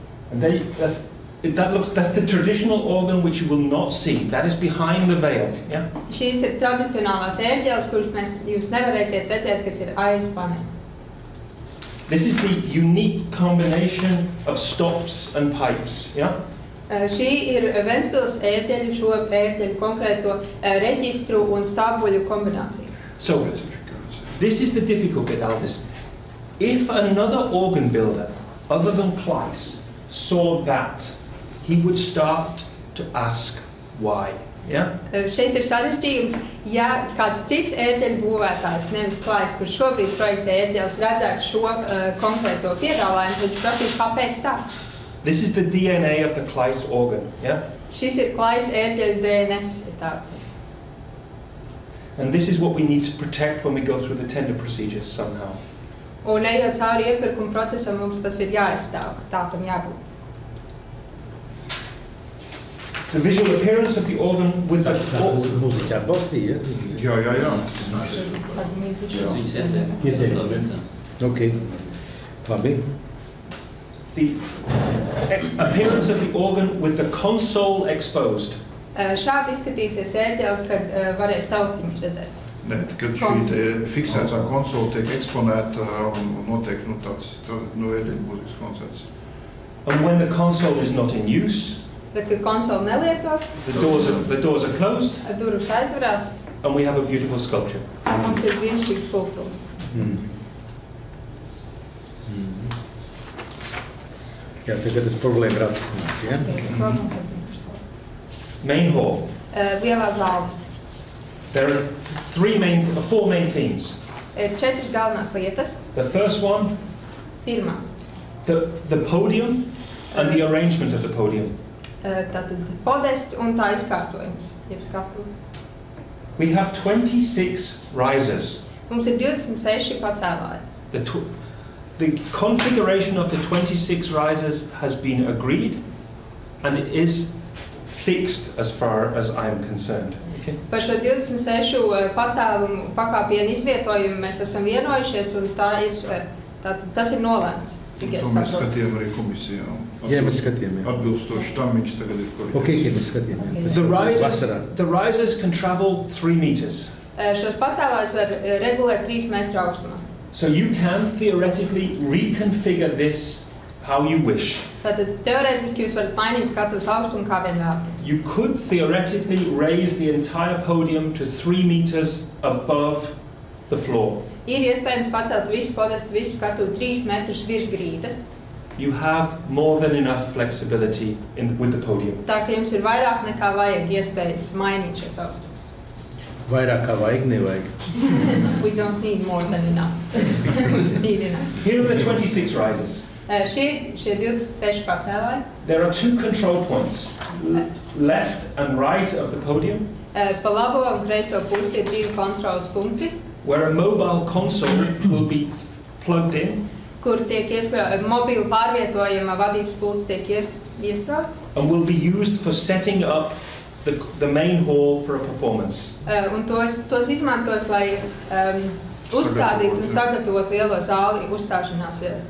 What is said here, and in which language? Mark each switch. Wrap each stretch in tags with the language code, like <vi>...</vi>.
<en>And then, that's the traditional organ which you will not see. That is behind the veil, yeah?</en> <lv>Šīs ir tradicionālās ērģeles, kuras mēs jūs nevarēsiet redzēt, kas ir aiz paneļa.</lv> <en>This is the unique combination of stops and pipes, yeah?</en> <lv>Šī ir Ventspils ērģeļu, šo ērģeļu konkrēto reģistru un stabuļu kombināciju.</lv> <en>So, this is the difficult bit, Elvis. If another organ builder, other than Kleiss, saw that, he would start to ask why.</en> <lv>Šeit ir sarežģījums, ja kāds cits ērģeļu būvētājs, nevis Kleiss, kurš šobrīd projektē ērģeles, redzētu šo konkrēto piedāvājumu, viņš prasīs, kāpēc tā?</lv> <en>This is the DNA of the Kleiss organ, yeah?</en> <lv>Šis ir Kleiss ērģeļu DNS, tā.</lv> <en>And this is what we need to protect when we go through the tender procedures somehow.</en> <lv>Un ejot cauri iepirkuma procesam, mums tas ir jāizstāv, tā tam jābūt.</lv> <en>The visual appearance of the organ with the music at Bosti, yeah? Yeah.</en> <lv>Okay. Labi.</lv> <en>The appearance of the organ with the console exposed.</en> <lv>Šādi izskatīsies ērģeles, kad varēs taustiņus redzēt. Nē, kad šī fiksētā konsole tiek eksponēta un notiek tāds ērģeļu mūzikas koncerts.</lv> <en>And when the console is not in use,</en> <lv>bet kad konsole nelietot,</lv> <en>the doors are closed,</en> <lv>durvis aizvarās,</lv> <en>and we have a beautiful sculpture.</en> <lv>Un mums ir brīnišķīga skulptūra. Jā, tagad tas problēma ir atrisināt, jā?</lv> <en>Main hall.</en> <lv>Lielā zāle.</lv> <en>There are four main themes.</en> <lv>Ir četras galvenās lietas.</lv> <en>The first one.</en> <lv>Pirmā.</lv> <en>The podium and the arrangement of the podium.</en> <lv>Tātad podests un tā izkārtojums, jeb skatuve.</lv> <en>We have 26 risers.</en> <lv>Mums ir 26 pacēlāji.</lv> <en>The configuration of the 26 risers has been agreed and it is fixed as far as I am concerned. Okay.</en> <lv>Par šo 26 pacēlumu pakāpienu izvietojumu mēs esam vienojušies un tas ir nolēmts. To mēs skatījām arī komisijā. Jā, mēs skatījām, jā. Atbilstoši tam, viņš tagad ir korrekts. Ok, jā, mēs skatījām, jā.</lv> <en>The risers can travel 3 meters.</en> <lv>Šos pacēlājs var regulēt 3 metru augstumā.</lv> <en>So you can theoretically reconfigure this how you wish.</en> <lv>Tātad teoretiski jūs varat mainīt skatuves augstumu kā vien vēlaties.</lv> <en>You could theoretically raise the entire podium to 3 meters above the floor.</en> <lv>Ir iespējams pacelt visu podestu, visu skatuvi 3 metrus virs grīdas.</lv> <en>You have more than enough flexibility with the podium.</en> <lv>Tā ka jums ir vairāk nekā vajag iespējas mainīt šos augstumus. Vairāk kā vajag, nevajag.</lv> <en>We don't need more than enough. Need enough. Here are the 26 risers.</en> <lv>Šie 26 pacēlāji.</lv> <en>There are two control points, left and right of the podium.</en> <lv>Pa labo un kreiso pusi ir divi kontrols punkti.</lv> <en>Where a mobile console will be plugged in.</en> <lv>Kur tiek mobila pārvietojuma vadības pults tiek iespraust.</lv> <en>And will be used for setting up the main hall for a performance.</en> <lv>Un tos izmantos, lai uzstādīt un sagatavot lielo zāli uzstāšanās.</lv>